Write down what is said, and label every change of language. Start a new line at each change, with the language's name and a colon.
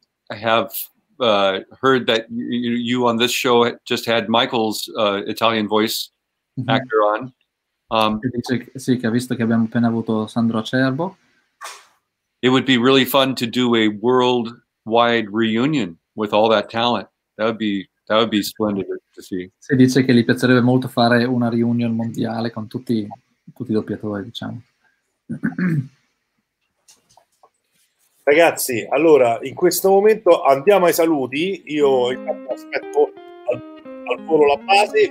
English: I have heard that you on this show just had Michael's Italian voice actor on.
Italian: Dice sì, che ha visto che abbiamo appena avuto Sandro Acerbo.
English: It would be really fun to do a worldwide reunion with all that talent. That would be splendid to see.
Italian: Si dice che gli piacerebbe molto fare una reunion mondiale con tutti i doppiatori, diciamo. Ragazzi, allora, in questo momento andiamo ai saluti. Io intanto aspetto al volo la base.